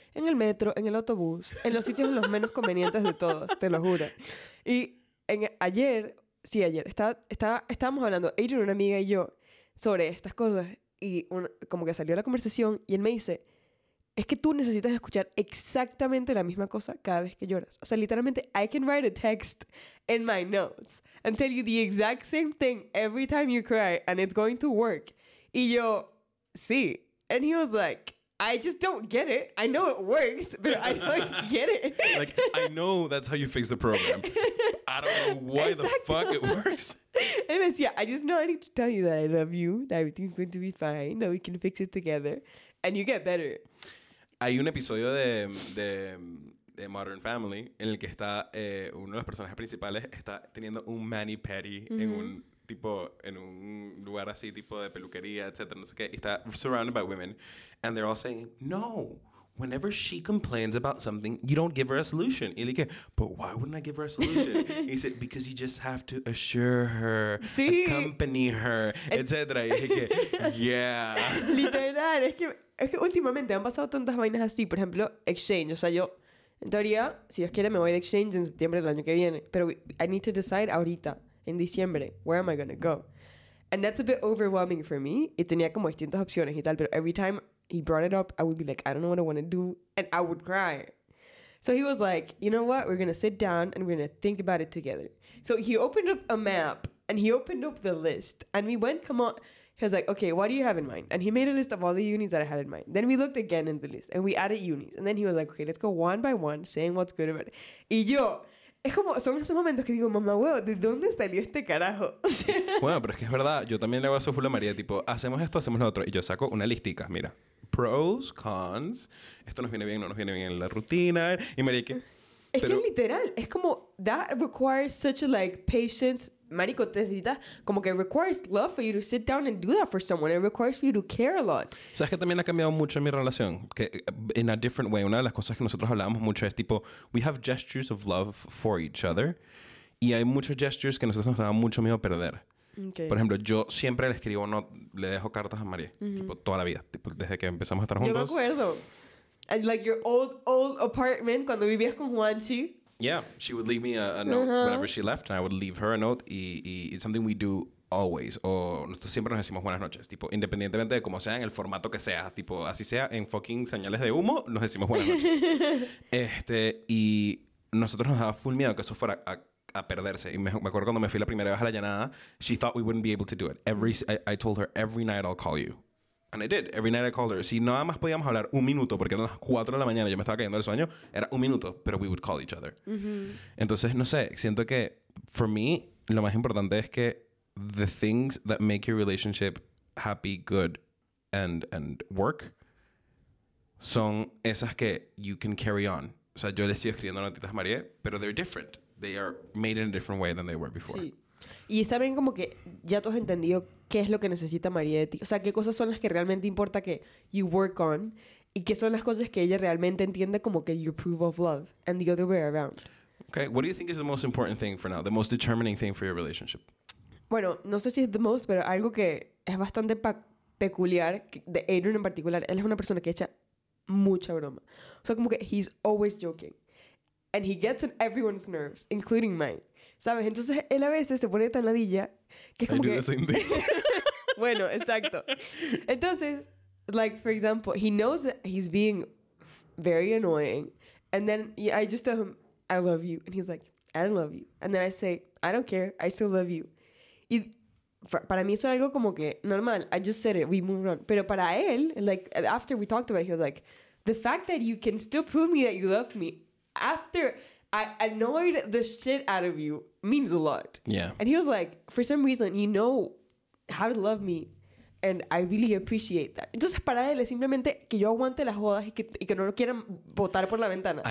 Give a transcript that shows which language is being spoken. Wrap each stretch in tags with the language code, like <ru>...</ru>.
<es>En el metro, en el autobús, en los sitios los menos convenientes de todos, te lo juro. Y ayer, estábamos hablando, Adrian, una amiga y yo, sobre estas cosas. Y como que salió la conversación y él me dice, es que tú necesitas escuchar exactamente la misma cosa cada vez que lloras. O sea, literalmente,</es> <en>I can write a text in my notes and tell you the exact same thing every time you cry and it's going to work.</en> <es>Y yo, sí.</es> <en>And he was like, I just don't get it. I know it works, but I don't get it. Like, I know that's how you fix the problem. I don't know why exactly. The fuck it works. And I said, yeah, I just know I need to tell you that I love you, that everything's going to be fine, that we can fix it together, and you get better.</en> <es>Hay un episodio de Modern Family en el que está uno de los personajes principales está teniendo un mani-pedi mm-hmm. en un... tipo en un lugar así tipo de peluquería, etcétera, no sé qué, y está</es> <en>surrounded by women and they're all saying no, whenever she complains about something, you don't give her a solution.</en> <es>Y le dije,</es> <en>but why wouldn't I give her a solution? He said, because you just have to assure her,</en> <es>sí.</es> <en>accompany her, etcétera.</en> <es>Y dije,</es> <en>yeah.</en> <es>Literal, es que últimamente han pasado tantas vainas así, por ejemplo, exchange, o sea, yo en teoría, si Dios quiere, me voy de exchange en septiembre del año que viene, pero</es> <en>I need to decide</en> <es>ahorita. En diciembre,</es> <en>where am I gonna go? And that's a bit overwhelming for me.</en> <es>Y tenía como distintas opciones y tal, pero</es> <en>every time he brought it up, I would be like, I don't know what I want to do, and I would cry. So he was like, you know what? We're gonna sit down and we're gonna think about it together. So he opened up a map and he opened up the list and we went, come on. He was like, okay, what do you have in mind? And he made a list of all the unis that I had in mind. Then we looked again in the list and we added unis. And then he was like, okay, let's go one by one, saying what's good about it.</en> <es>Y yo. Es como, son esos momentos que digo, mamá, huevo, ¿de dónde salió este carajo? Bueno, pero es que es verdad, yo también le hago a su fula María, tipo, hacemos esto, hacemos lo otro, y yo saco una listica, mira, pros, cons, esto nos viene bien, no nos viene bien en la rutina, y María, ¿qué? Es pero... que literal, es como,</es> <en>that requires such a, like, patience,</en> <es>marico, te necesitas, como que</es> <en>requires love for you to sit down and do that for someone, it requires for you to care a lot.</en> <es>¿Sabes que también ha cambiado mucho en mi relación? Que,</es> <en>in a different way,</en> <es>una de las cosas que nosotros hablábamos mucho es tipo,</es> <en>we have gestures of love for each other,</en> <es>y hay muchos gestures que nosotros nos da mucho miedo perder.</es> <en>Okay.</en> <es>Por ejemplo, yo siempre le escribo, no, le dejo cartas a María, mm-hmm. tipo, toda la vida, tipo, desde que empezamos a estar juntos. Yo me acuerdo.</es> <en>And like your old apartment,</en> <es>cuando vivías con Juanchi.</es> <en>Yeah, she would leave me a note uh-huh. whenever she left, and I would leave her a note, y it's something we do always.</en> <es>O nosotros siempre nos decimos buenas noches, tipo, independientemente de cómo sea, en el formato que sea, tipo, así sea, en fucking señales de humo, nos decimos buenas noches. y nosotros nos daba full miedo que eso fuera a perderse. Y me acuerdo cuando me fui la primera vez a la llanada,</es> <en>she thought we wouldn't be able to do it. I told her, every night I'll call you. And I did. Every night I called her.</en> <es>Si nada más podíamos hablar un minuto, porque eran las 4 de la mañana, yo me estaba cayendo del sueño, era un minuto, pero</es> <en>we would call each other. Mm-hmm.</en> <es>Entonces, no sé, siento que,</es> <en>for me,</en> <es>lo más importante es que</es> <en>the things that make your relationship happy, good, and work, son esas que you can carry on.</en> <es>O sea, yo le sigo escribiendo notitas a María, pero</es> <en>they're different. They are made in a different way than they were before.</en> <es>Sí. Y está bien como que ya tú has entendido qué es lo que necesita María de ti. O sea, qué cosas son las que realmente importa que</es> <en>you work on</en> <es>y qué son las cosas que ella realmente entiende como que</es> <en>you prove of love and the other way around. Okay, what do you think is the most important thing for now? The most determining thing for your relationship?</en> <es>Bueno, no sé si es</es> <en>the most,</en> <es>pero algo que es bastante peculiar de Adrian en particular, él es una persona que echa mucha broma. O sea, como que</es> <en>he's always joking. And he gets on everyone's nerves, including mine.</en> <es>¿Sabes? Entonces, él a veces se pone tan ladilla que es como que...</es> <en>I do the same thing.</en> <es>Bueno, exacto. Entonces,</es> <en>like, for example, he knows that he's being very annoying. And then I just tell him, I love you. And he's like, I don't love you. And then I say, I don't care. I still love you.</en> <es>Y para mí eso es algo como que normal.</es> <en>I just said it. We move on.</en> <es>Pero para él,</es> <en>like, after we talked about it, he was like, the fact that you can still prove me that you love me after... I annoyed the shit out of you means a lot. Yeah. And he was like, for some reason, you know how to love me, and I really appreciate that.</en> <es>Entonces, para él es simplemente que yo aguante las jodas y que no lo quieran botar por la ventana.</es>